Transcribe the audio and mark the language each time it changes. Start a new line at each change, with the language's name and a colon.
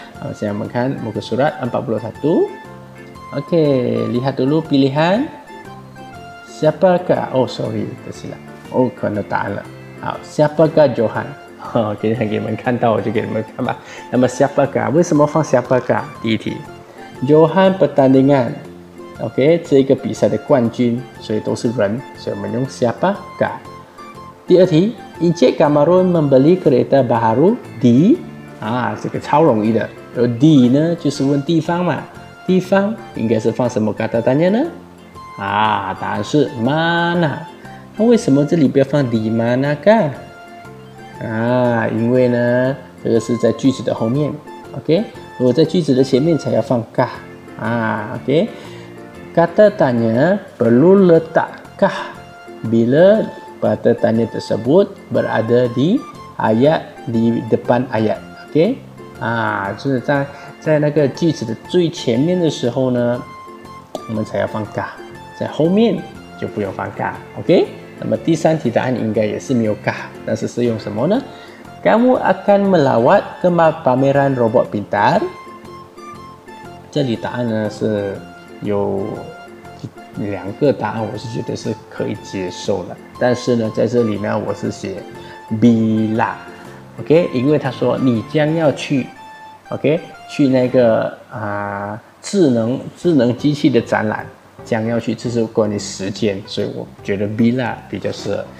Chinese: 好，现在我们看muka surat 41。OK，
Malay: lihat dulu pilihan。 Siapakah? Oh, sorry, tersilap. Oh, kena tahan lah.
Chinese: 好，siapakah Johan? Oh, 给你们看到，我就给你们看吧。那么 siapakah? 为什么放 siapakah? 第一题， Johan pertandingan. OK， 这个比赛的冠军，所以都是人，所以我们用 siapakah? 第二题， Encik Kamarun membeli kereta baru di? 啊，这个超容易的。di 呢，就是问地方嘛。地方应该是放什么 kata tanya 呢？啊，答案是 mana。那为什么这里不要放 di mana ka？ 啊，因为呢这个是在句子的后面， OK， 如果在句子的前面才要放 ka。
Malay: 啊， OK， kata tanya perlu letak ka bila kata tanya tersebut berada di ayat di depan ayat。
Chinese: OK， 啊，就是在那个句子的最前面的时候呢我们才要放 ka，在后面就不用放 ka。 OK， 那么第三题答案应该也是没有 ka， 但是是用什么呢？
Malay: Kamu akan melawat ke pameran robot pintar。
Chinese: 这里答案呢是有两个答案我是觉得是可以接受的，但是呢在这里面我是写 B 啦 OK， 因为他说你将要去 OK 去那个智能机器的展览，将要去，这是关于时间，所以我觉得 B 啦比较适合。